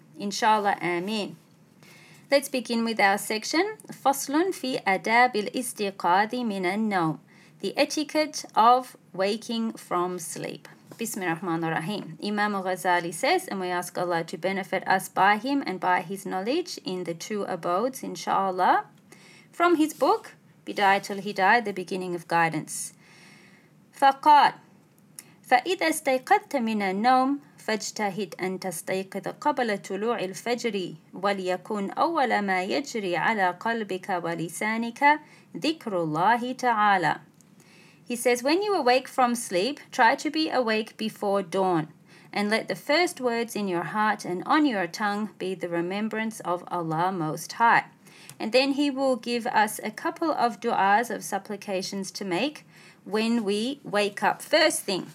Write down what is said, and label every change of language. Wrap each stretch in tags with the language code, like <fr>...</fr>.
<en>Inshallah, Ameen. Let's begin with our section,</en> <ar>Faslun fi adab al-istiqadi min al-nawm,</ar> <en>the etiquette of waking from sleep.</en> <ar>Bismillah ar-Rahman ar-Rahim.</ar> <en>Imam Ghazali says, and we ask Allah to benefit us by him and by his knowledge in the two abodes, inshallah, from his book, Bidayatul Hidayah, the beginning of guidance.</en> <ar>Faqad, fa'idha istayqadta min al-nawm, فاجتهد أن تستيقظ قبل طلوع الفجر وليكن أول ما يجري على قلبك ولسانك ذكر الله تعالى.</ar> <en>He says, when you awake from sleep, try to be awake before dawn, and let the first words in your heart and on your tongue be the remembrance of Allah Most High. And then he will give us a couple of du'as, of supplications to make when we wake up first thing.</en>